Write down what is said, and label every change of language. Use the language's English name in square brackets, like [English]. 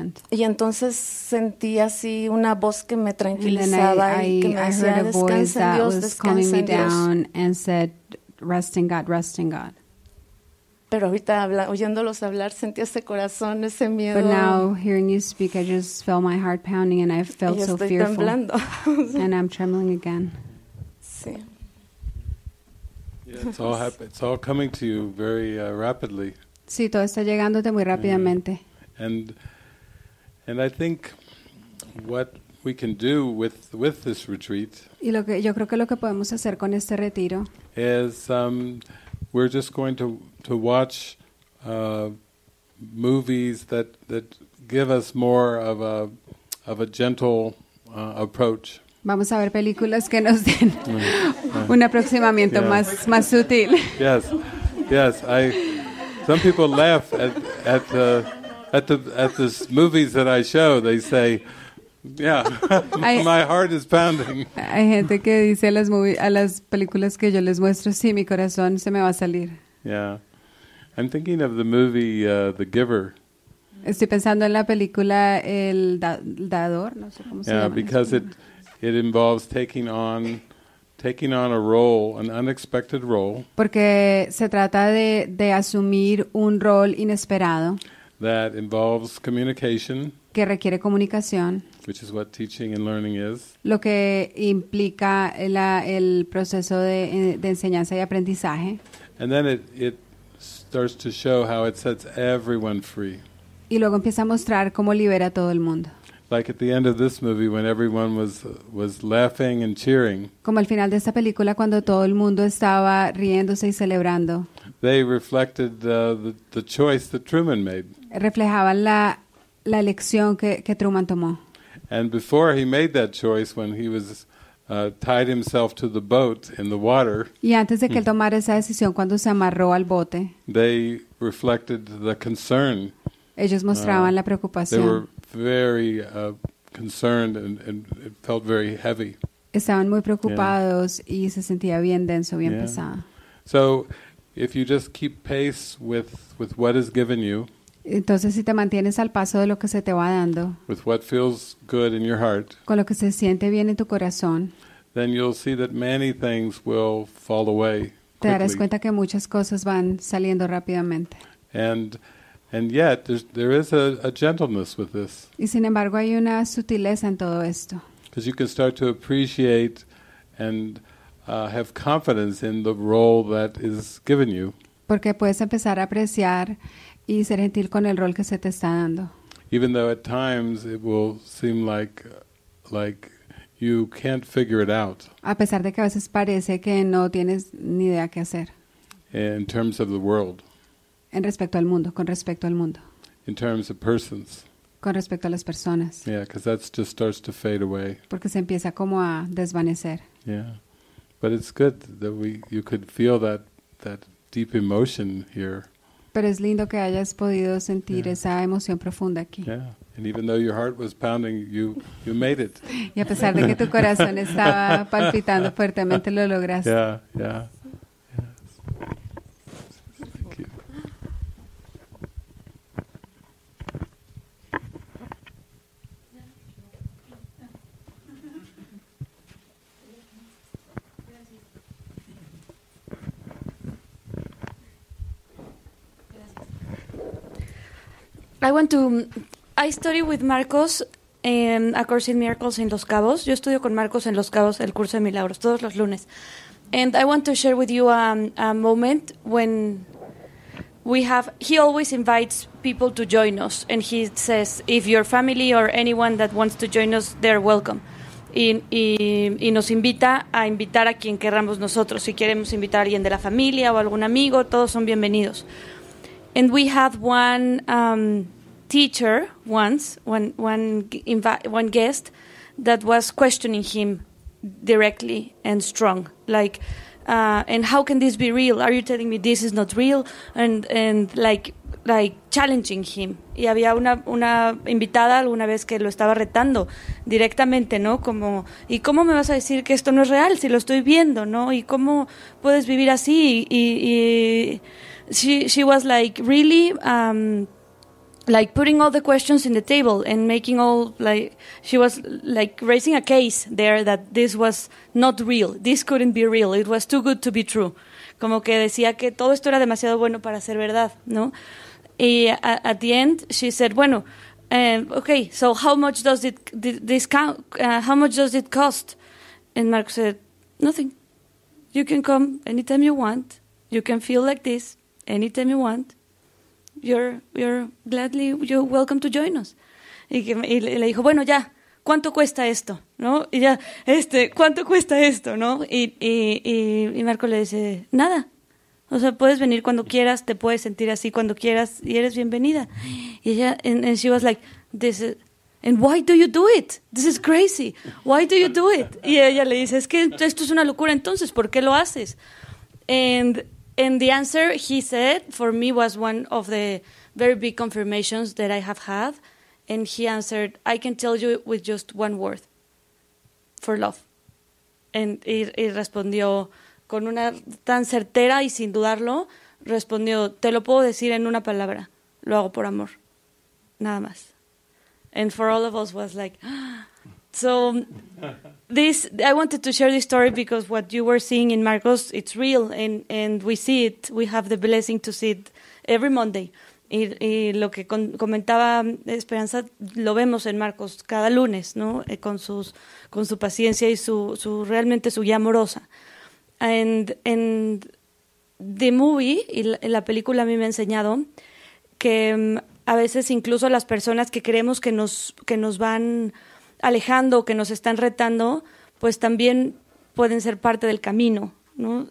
[Spanish] Y entonces sentí así una voz que me tranquilizaba y que me decía, descansa en Dios, descansa en Dios. [English] And said, rest in God, rest in God. [Spanish] Pero ahorita oyéndolos hablar sentí ese corazón, ese miedo. [English] But now hearing you speak, I just felt my heart pounding and I felt so fearful. [Spanish] Y estoy temblando. [English] And I'm trembling again. [Spanish] Sí. [English] Yeah, it's all coming to you very rapidly. [Spanish] Sí, todo está llegándote muy rápidamente. [English] And I think what we can do with this retreat. [Spanish] Y lo que yo creo que lo que podemos hacer con este retiro es [English] we're just going to watch movies that give us more of a gentle approach. [Spanish] Vamos a ver películas que nos den un aproximamiento más sutil. [English] Yes. Some people laugh at the movies that I show. They say, yeah, my heart is pounding. [Spanish] Hay gente que dice a las películas que yo les muestro, sí, mi corazón se me va a salir. [English] Yeah, I'm thinking of the movie The Giver. [Spanish] Estoy pensando en la película El Dador, no sé cómo se llama. [English] Yeah, because it involves taking on a role, an unexpected role. [Spanish] Porque se trata de asumir un rol inesperado. [English] That involves communication. [Spanish] Que requiere comunicación. [English] Which is what teaching and learning is. [Spanish] Lo que implica el proceso de enseñanza y aprendizaje. [English] And then it starts to show how it sets everyone free. [Spanish] Y luego empieza a mostrar cómo libera a todo el mundo. [English] Like at the end of this movie when everyone was laughing and cheering. [Spanish] Como al final de esta película cuando todo el mundo estaba riéndose y celebrando. [English] They reflected the choice that Truman made. [Spanish] Reflejaban la elección que Truman tomó. [English] And before he made that choice when he was tied himself to the boat in the water. [Spanish] Y antes de que él tomara esa decisión cuando se amarró al bote. [English] They reflected the concern. [Spanish] Ellos mostraban la preocupación. [English] They were very concerned and it felt very heavy. [Spanish] Estaban muy preocupados y se sentía bien denso, bien pesado. [English] So if you just keep pace with what is given you. [Spanish] Entonces si te mantienes al paso de lo que se te va dando. [English] With what feels good in your heart. [Spanish] Con lo que se siente bien en tu corazón. [English] Then you'll see that many things will fall away. [Spanish] Te darás cuenta que muchas cosas van saliendo rápidamente. [English] And yet there is a gentleness with this. [Spanish] Y sin embargo hay una sutileza en todo esto. [English] Because you can start to appreciate and have confidence in the role that is given you. [Spanish] Porque puedes empezar a apreciar y ser gentil con el rol que se te está dando. [English] Even though at times it will seem like you can't figure it out. [Spanish] A pesar de que a veces parece que no tienes ni idea qué hacer. [English] In terms of the world. [Spanish] En respecto al mundo, con respecto al mundo. [English] In terms of persons. [Spanish] Con respecto a las personas. [English] Yeah, because that just starts to fade away. [Spanish] Porque se empieza como a desvanecer. [English] Yeah, but it's good that you could feel that deep emotion here. [Spanish] Pero es lindo que hayas podido sentir esa emoción profunda aquí. [English] Yeah, and even though your heart was pounding, you made it. [Spanish] Y a pesar de que tu corazón estaba palpitando fuertemente, lo lograste. [English] Yeah. I study with Marcos a course in miracles in Los Cabos. [Spanish] Yo estudio con Marcos en Los Cabos el curso de milagros todos los lunes. [English] And I want to share with you a moment when he always invites people to join us. And he says, if your family or anyone that wants to join us, they're welcome. [Spanish] Y nos invita a invitar a quien querramos nosotros. Si queremos invitar a alguien de la familia o algún amigo, todos son bienvenidos. [English] And we had one teacher once, one guest that was questioning him directly and strong, like, and how can this be real? Are you telling me this is not real? And like like challenging him. [Spanish] Y había una invitada alguna vez que lo estaba retando directamente, ¿no? Como, ¿y cómo me vas a decir que esto no es real si lo estoy viendo, no? ¿Y cómo puedes vivir así? [English] Y she was like really like putting all the questions in the table and making all, like, she was like raising a case there that this was not real. This couldn't be real. It was too good to be true. [Spanish] Como que decía que todo esto era demasiado bueno para ser verdad, ¿no? [English] Y at the end, she said, [Spanish] bueno, [English] okay, so how much does it how much does it cost? And Marco said, nothing. You can come anytime you want. You can feel like this anytime you want. You're gladly, you're welcome to join us. [Spanish] Y le dijo, bueno, ya, ¿cuánto cuesta esto? ¿No? Y ya, ¿cuánto cuesta esto? ¿No? Y Marco le dice, nada. O sea, puedes venir cuando quieras, te puedes sentir así cuando quieras y eres bienvenida. Y ella, [English] and she was like, this is, and why do you do it? This is crazy. Why do you do it? [Spanish] Y ella le dice, es que esto es una locura, entonces, ¿por qué lo haces? [English] And the answer he said for me was one of the very big confirmations that I have had. And he answered, I can tell you with just one word, for love. And he [Spanish] respondió con una tan certera y sin dudarlo, respondió, te lo puedo decir en una palabra, lo hago por amor, nada más. [English] And for all of us was like, ah. So this, I wanted to share this story because what you were seeing in Marcos, it's real, and we see it, we have the blessing to see it every Monday. [Spanish] Y lo que comentaba Esperanza, lo vemos en Marcos cada lunes, ¿no? Con su paciencia y su realmente su guía amorosa. [English] And the movie, [Spanish] la película a mí me ha enseñado que a veces incluso las personas que creemos que nos van alejando, que nos están retando, pues también pueden ser parte del camino, ¿no?